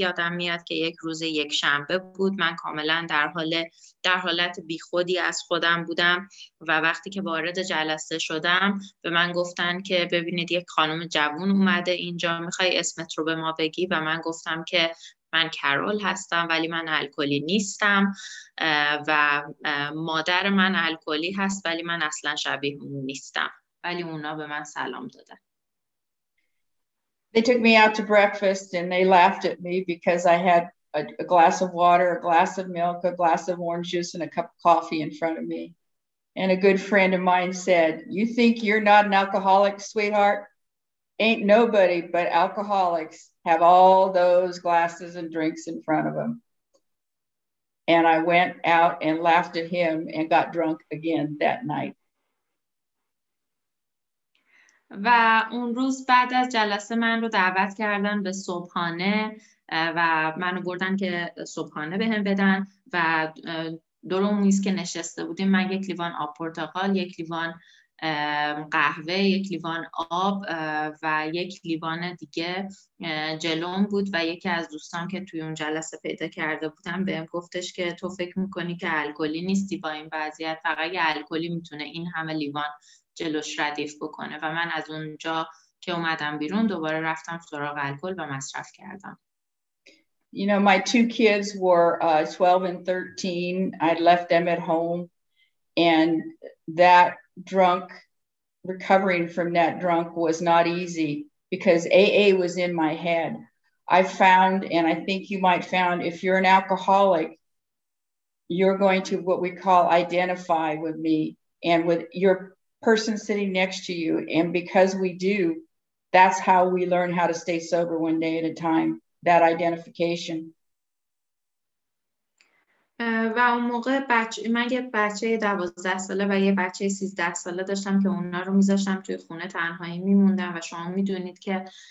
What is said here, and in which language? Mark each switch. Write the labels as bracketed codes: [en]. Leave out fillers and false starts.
[fa] یادم میاد که یک روز یک شنبه بود، من کاملا در حالت بیخودی از خودم بودم و وقتی که وارد جلسه شدم به من گفتن که ببینید یک خانم جوان اومده اینجا، میخوای اسمت رو به ما بگی؟ و من گفتم که من کارول هستم ولی من الکلی نیستم و مادر من الکلی هست ولی من اصلا شبیه اون نیستم، ولی اونا به من سلام دادن. [en] They took me out to breakfast and they laughed at me because I had a glass of water, a glass of milk, a glass of orange juice, and a cup of coffee in front of me. And a good friend of mine said, "You think you're not an alcoholic, sweetheart? Ain't nobody but alcoholics have all those glasses and drinks in front of them." And I went out and laughed at him and got drunk again that night. [fa] و اون روز بعد از جلسه من رو دعوت کردن به صبحانه و منو بردن که صبحانه بهم بدن و دور اون میز که نشسته بودیم من یک لیوان آب پرتقال، یک لیوان قهوه، یک لیوان آب و یک لیوان دیگه جلوم بود و یکی از دوستان که توی اون جلسه پیدا کرده بودم بهم گفتش که تو فکر میکنی که الکلی نیستی با این وضعیت، فقط یه الکلی میتونه این همه لیوان جلوش ردیف بکنه. و من از اونجا که اومدم بیرون دوباره رفتم سراغ الکل و مصرف کردم. [en] You know, my two kids were 12 and 13. I'd left them at home. And that drunk, recovering from that drunk was not easy because AA was in my head. I found, and I think you might found, if you're an alcoholic, you're going to what we call identify with me and with your person sitting next to you, and because we do, that's how we learn how to stay sober one day at a time, that identification. [fa] و اون موقع من یه بچه 12 ساله و یه بچه 13 ساله داشتم که اونا رو میذاشتم توی خونه تنهایی میموندم و شما میدونید که